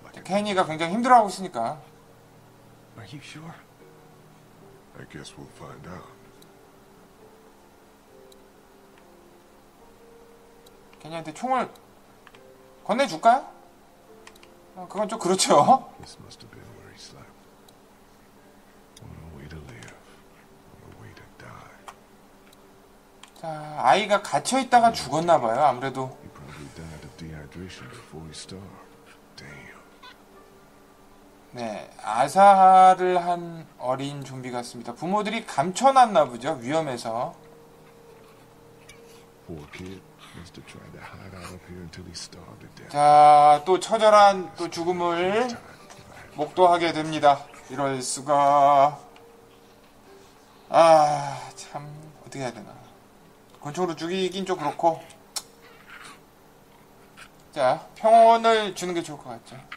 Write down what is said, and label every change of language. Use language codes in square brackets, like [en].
[ko] 케니가 굉장히 힘들어하고 있으니까. [en] Are you sure? I guess we'll find out. [ko] 케니한테 총을 건네줄까요? 그건 좀 그렇죠. [en] This must have been where he slept. On the way to live, on the way to die. [ko] 자, 아이가 갇혀 있다가 죽었나 봐요. 아무래도. [en] He probably died of dehydration before he starved. Damn. [ko] 네, 아사를 한 어린 좀비 같습니다. 부모들이 감춰놨나 보죠, 위험해서. [en] Poor kid must have tried to hide out up here until he starved to death. [ko] 자, 또 처절한 또 죽음을 목도하게 됩니다. 이럴 수가. 아, 참 어떻게 해야 되나. 권총으로 죽이긴 좀 그렇고. 자, 평온을 주는 게 좋을 것 같죠.